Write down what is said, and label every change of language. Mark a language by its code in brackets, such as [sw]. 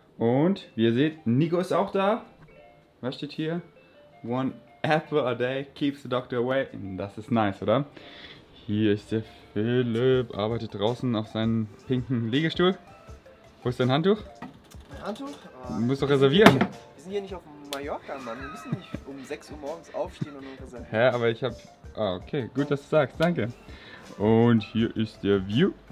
[de] Und wie ihr seht, Nico ist auch da. Was steht hier? [en] One apple a day keeps the doctor away. [de] Das ist nice, oder? Hier ist der Philipp, arbeitet draußen auf seinem pinken Liegestuhl. Wo ist dein Handtuch? Ein Handtuch? Du musst doch reservieren. Wir sind hier nicht auf Mallorca, Mann. Wir müssen nicht um 6 Uhr morgens aufstehen und reservieren. Hä, aber ich hab... Ah, okay. Gut, dass du sagst. Danke. Und hier ist der View.